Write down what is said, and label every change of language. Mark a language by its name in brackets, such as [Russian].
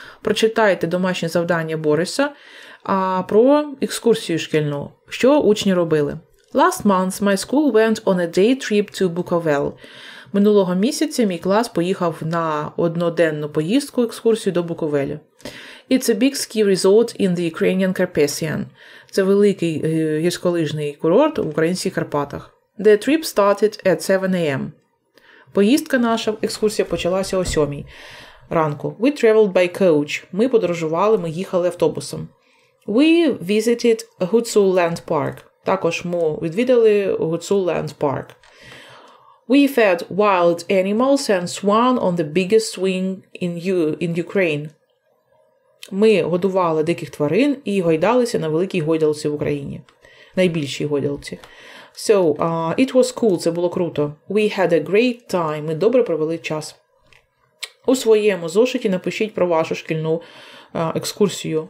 [Ukrainian] Прочитайте домашнє завдання Бориса про екскурсію шкільну. Що учні робили? [English] Last month my school went on a day trip to Bukovel. [Ukrainian] Минулого місяця мій клас поїхав на одноденну поїздку, екскурсію до Буковелю. [English] It's a big ski resort in the Ukrainian Carpathian. [Ukrainian] Це великий гірськолижний курорт в українських Карпатах. [English] The trip started at 7 a.m. [Ukrainian] Поїздка наша, екскурсія почалася о 7 ранку. [English] We traveled by coach. [Ukrainian] Ми подорожували, ми їхали автобусом. [English] We visited [Ukrainian] Hutsu Land Park. Також ми відвідали Hutsu Land Park. [English] We fed wild animals and swam on the biggest swing in Ukraine. [Ukrainian] Ми годували диких тварин і гойдалися на великій гойдалці в Україні. Найбільшій гойдалці. [English] So, it was cool. [Ukrainian] Це було круто. [English] We had a great time. [Ukrainian] Ми добре провели час. У своєму зошиті напишіть про вашу шкільну екскурсію.